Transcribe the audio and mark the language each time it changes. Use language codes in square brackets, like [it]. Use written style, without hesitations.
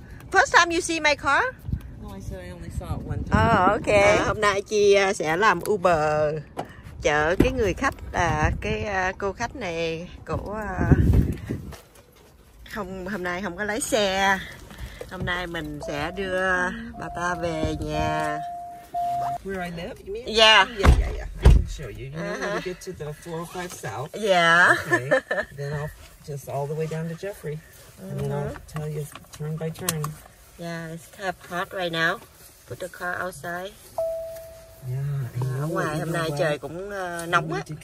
[en] first time you see my car? No, I said I only saw it one time. Oh, okay. [vi] Hôm nay chị sẽ làm Uber chở cái người khách, cô khách này cổ không, hôm nay không có lái xe. Hôm nay mình sẽ đưa bà ta về nhà. [en] Where I live, you mean? Yeah. Yeah, yeah, yeah. I can show you. You know, when we get to the 405 South. Yeah. Okay. Then I'll just all the way down to Jeffrey. And then I'll tell you turn by turn. Yeah, it's kind of hot right now. Put the car outside. Yeah, [vi] ở ngoài hôm nay trời cũng nóng á.